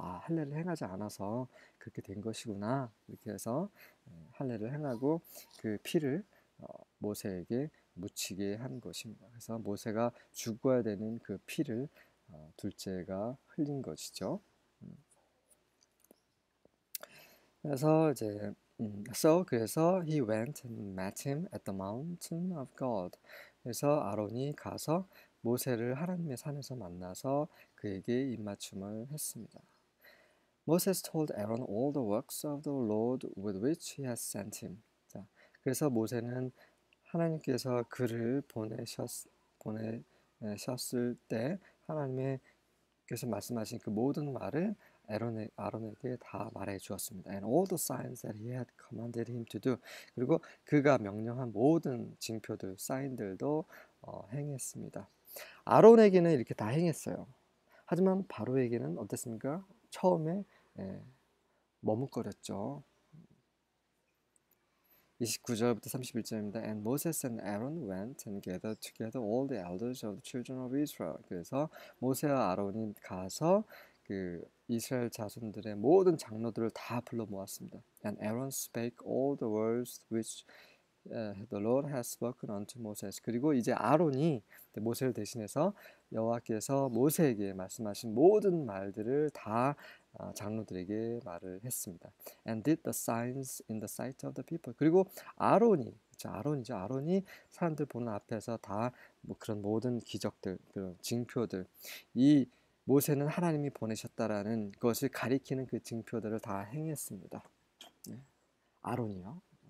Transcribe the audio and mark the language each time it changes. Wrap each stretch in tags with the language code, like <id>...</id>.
<ko>아, 할례를 행하지 않아서 그렇게 된 것이구나. 이렇게 해서 할례를 행하고 그 피를 모세에게 묻히게 한 것입니다. 그래서 모세가 죽어야 되는 그 피를 둘째가 흘린 것이죠. 그래서 이제</ko> <en>So,</en> <ko>그래서</ko> <en>he went and met him at the mountain of God.</en> <ko>그래서 아론이 가서 모세를 하나님의 산에서 만나서 그에게 입맞춤을 했습니다.</ko> <en>Moses told Aaron all the works of the Lord with which he has sent him.</en> <ko>자, 그래서 모세는 하나님께서 그를 보내셨을 때 하나님께서 말씀하신 그 모든 말을 아론에게 다 말해 주었습니다.</ko> <en>And all the signs that he had commanded him to do.</en> <ko>그리고 그가 명령한 모든 징표들, 사인들도 행했습니다. 아론에게는 이렇게 다 행했어요. 하지만 바로에게는 어땠습니까? 처음에 머뭇거렸죠. 29절부터 31절입니다.</ko> <en>And Moses and Aaron went and gathered together all the elders of the children of Israel.</en> <ko>그래서 모세와 아론이 가서 그 이스라엘 자손들의 모든 장로들을 다 불러 모았습니다.</ko> <en>And Aaron spake all the words which the Lord has spoken unto Moses.</en> <ko>그리고 이제 아론이 모세를 대신해서 여호와께서 모세에게 말씀하신 모든 말들을 다 장로들에게 말을 했습니다.</ko> <en>And did the signs in the sight of the people.</en> <ko>그리고 아론이, 아론이죠. 아론이 사람들 보는 앞에서 다뭐 그런 모든 기적들, 그런 징표들, 이 모세는 하나님이 보내셨다라는 것을 가리키는 그 징표들을 다 행했습니다. 아론이요.</ko>